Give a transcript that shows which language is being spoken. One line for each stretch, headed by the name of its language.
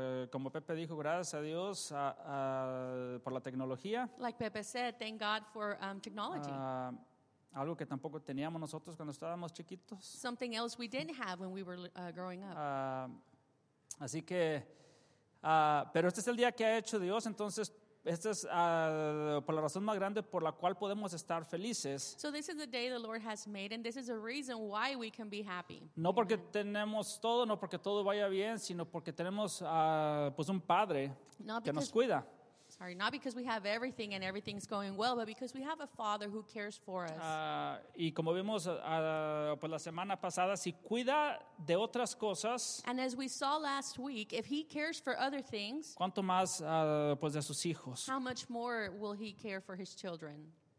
Spanish: Como Pepe dijo, gracias a Dios por la tecnología.
English: Like Pepe said, thank God for technology.
Spanish: Algo que tampoco teníamos nosotros cuando estábamos chiquitos.
English: Something else we didn't have when we were growing up.
Spanish: Así que, pero este es el día que ha hecho Dios, entonces esta es por la razón más grande por la cual podemos estar felices.
English: So this is the day the Lord has made, and this is a reason why we can be happy.
Spanish: No porque tenemos todo, no porque todo vaya bien, sino porque tenemos pues un padre que nos cuida.
English: Sorry, not because we have everything and everything's going well, but because we have a father who cares for us.
Spanish: Y como vimos pues la semana pasada, si cuida de otras cosas.
English: And as we saw last week, if he cares for other things.
Spanish: ¿Cuánto más pues de sus hijos?
English: How much more will he care for his children?